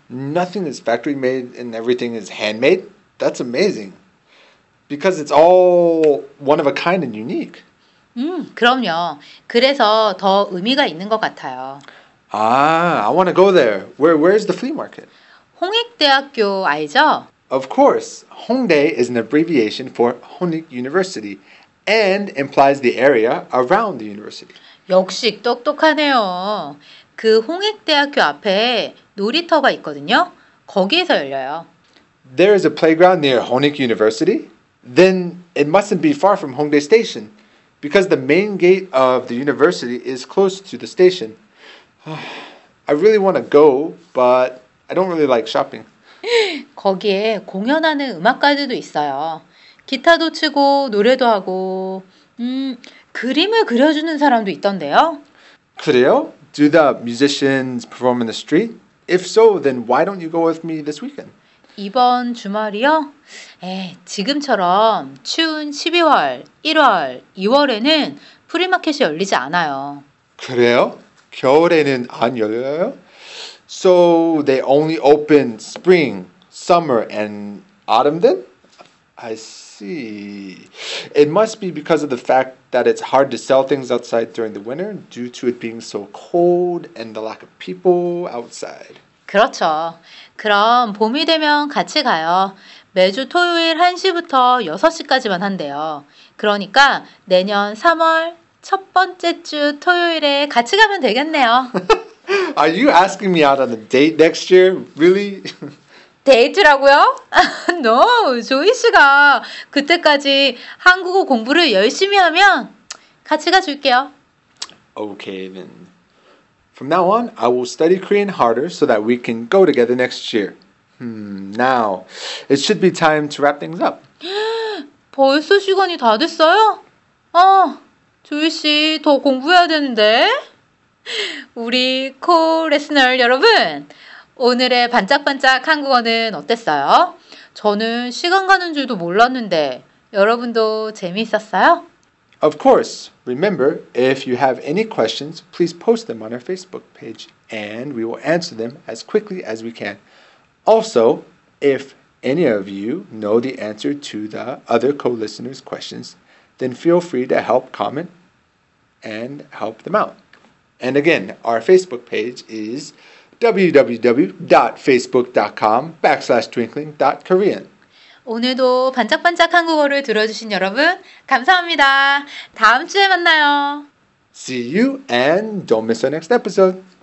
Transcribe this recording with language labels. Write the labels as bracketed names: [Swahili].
[English] Nothing is factory made and everything is handmade? That's amazing. Because it's all one of a kind and unique. [Korean] 그럼요. 그래서 더 의미가 있는 것 같아요. [English] Ah, I want to go there. Where is the flea market? [Korean] 홍익대학교 알죠? [English] Of course. Hongdae is an abbreviation for Hongik University and implies the area around the university. [Korean] 역시 똑똑하네요. 그 홍익대학교 앞에 놀이터가 있거든요. 거기에서 열려요. [English] There is a playground near Hongik University? Then it mustn't be far from Hongdae Station. Because the main gate of the university is close to the station. I really want to go, but I don't really like shopping. 거기에 공연하는 음악가들도 있어요. 기타도 치고 노래도 하고 그림을 그려주는 사람도 있던데요. [Korean] 그래요? [English] Do the musicians perform in the street? If so, then why don't you go with me this weekend? [Korean] 이번 주말이요? 에, 지금처럼 추운 12월, 1월, 2월에는 프리마켓이 열리지 않아요. 그래요? 겨울에는 안 열려요? [English] So they only open spring, summer, and autumn then? I see. It must be because of the fact that it's hard to sell things outside during the winter due to it being so cold and the lack of people outside. [Korean] 그렇죠. 그럼 봄이 되면 같이 가요. 매주 토요일 1시부터 6시까지만 한대요. 그러니까 내년 3월 첫 번째 주 토요일에 같이 가면 되겠네요. [English] Are you asking me out on a date next year? Really? [Korean] 데이트라고요? No, 조이 씨가 그때까지 한국어 공부를 열심히 하면 같이 가줄게요. [English] Okay, then. From now on, I will study Korean harder so that we can go together next year. Now, it should be time to wrap things up. [Korean] 벌써 시간이 다 됐어요? 아, 조이 씨, 더 공부해야 되는데. 우리 코레스너 여러분, 오늘의 반짝반짝 한국어는 어땠어요? 저는 시간 가는 줄도 몰랐는데, 여러분도 재미있었어요? [English] Of course. Remember, if you have any questions, please post them on our Facebook page and we will answer them as quickly as we can. Also, if any of you know the answer to the other co-listeners' questions, then feel free to help comment and help them out. And again, our Facebook page is www.facebook.com/twinkling.korean. [Korean] 오늘도 반짝반짝 한국어를 들어주신 여러분, 감사합니다. 다음 주에 만나요. [English] See you and don't miss our next episode.